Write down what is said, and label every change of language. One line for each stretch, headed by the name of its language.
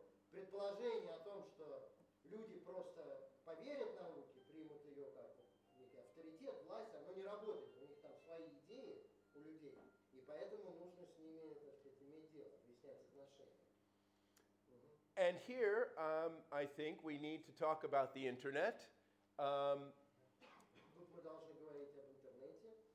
Russian: Предположение о том, что люди просто поверят науке, примут ее как некий авторитет, власть, оно не работает. У них там свои идеи, у людей, и поэтому нужно с ними, так сказать, иметь дело, объяснять отношения.
English: And here, I think we need to talk about the internet.
Russian: Тут мы должны говорить об интернете.